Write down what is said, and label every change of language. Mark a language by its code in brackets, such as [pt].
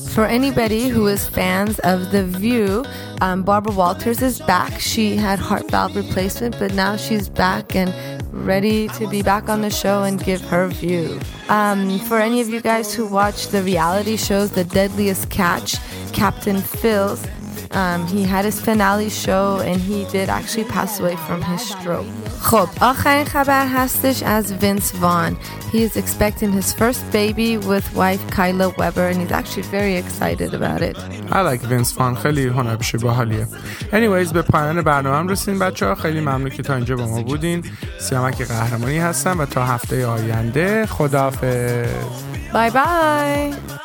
[en] For anybody who is fans of The View, Barbara Walters is back. She had heart valve replacement, but now she's back and ready to be back on the show and give her view. For any of you guys who watch the reality shows, The Deadliest Catch, Captain Phils, he had his finale show and he did actually pass away from his stroke. [fa] خب آخرین خبر هستش از وینس وان. [en] He is expecting his first baby with wife Kyla Webber and he's actually very excited about it. I like [fa] وینس وان. خیلی هنرپیشه باحالیه. Anyways به پایان برنامه هم رسیدیم بچه ها. خیلی ممنون که تا اینجا با ما بودین. سیامک قهرمانی هستم و تا هفته آینده خداحافظ. [en] Bye bye.